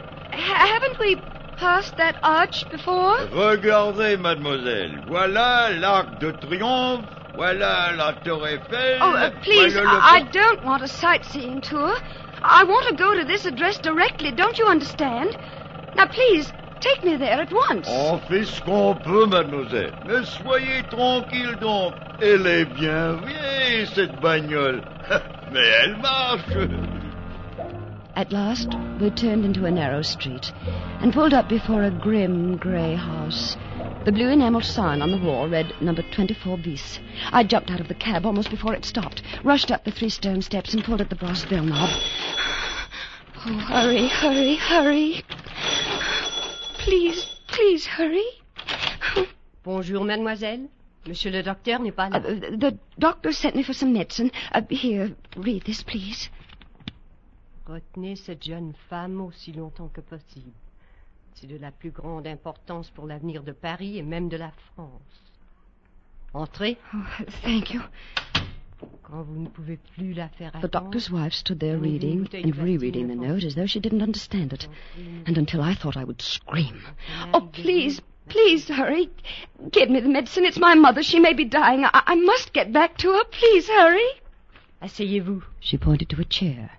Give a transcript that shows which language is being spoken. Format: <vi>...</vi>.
<en>Haven't we passed that arch before?</en> <fr>Regardez, mademoiselle. Voilà l'Arc de Triomphe. Voilà la Tour Eiffel.</fr> <en>Oh, please, voilà I don't want a sightseeing tour. I want to go to this address directly, don't you understand? Now, please, take me there at once.</en> <fr>On fait ce qu'on peut, mademoiselle. Mais soyez tranquille donc. Elle est bien vieille, cette bagnole. Mais elle marche.</fr> <en>At last, we turned into a narrow street and pulled up before a grim, grey house. The blue enamel sign on the wall read number 24 bis. I jumped out of the cab almost before it stopped, rushed up the 3 stone steps and pulled at the brass bell knob. Oh, hurry, hurry, hurry. Please, please hurry.</en> <fr>Bonjour, mademoiselle. Monsieur le docteur n'est pas là.</fr> <en>The doctor sent me for some medicine. Here, read this, please.</en> <fr>Retenez cette jeune femme aussi longtemps que possible. C'est de la plus grande importance pour l'avenir de Paris et même de la France. Entrez.</fr> <en>Oh, thank you.</en> <fr>Quand vous ne pouvez plus la faire attendre.</fr> <en>The doctor's wife stood there reading and rereading the note as though she didn't understand it. And until I thought I would scream. Oh, please, please hurry. Give me the medicine. It's my mother. She may be dying. I must get back to her. Please hurry.</en> <fr>Asseyez-vous.</fr> <en>She pointed to a chair.</en>